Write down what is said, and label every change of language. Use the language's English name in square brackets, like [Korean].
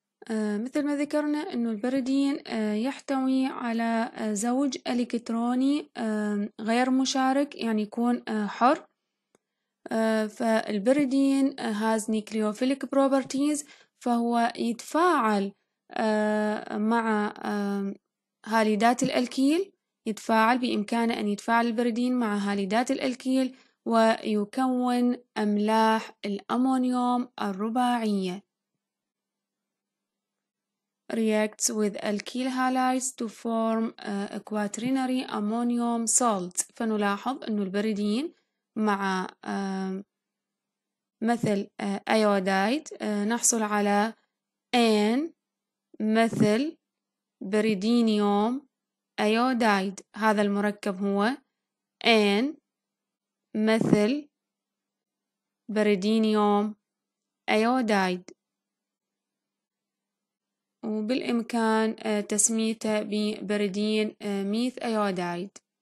[Arabic] مثل ما ذكرنا أن البريدين يحتوي على زوج إلكتروني غير مشارك، يعني يكون حر، فالبريدين [English] has nucleophilic properties، [Arabic] فهو يتفاعل مع هاليدات الألكيل، يتفاعل بإمكانه أن يتفاعل البريدين مع هاليدات الألكيل ويكون أملاح الأمونيوم الرباعية. [English] Reacts with alkyl halides to form a quaternary ammonium salt. [Arabic] فنلاحظ أنه البريدين مع مثل أيودايد نحصل على N مثل بريدينيوم أيودايد هذا المركب هو أن مثل بريدينيوم أيودايد، وبالإمكان تسميته ببريدين ميث أيودايد.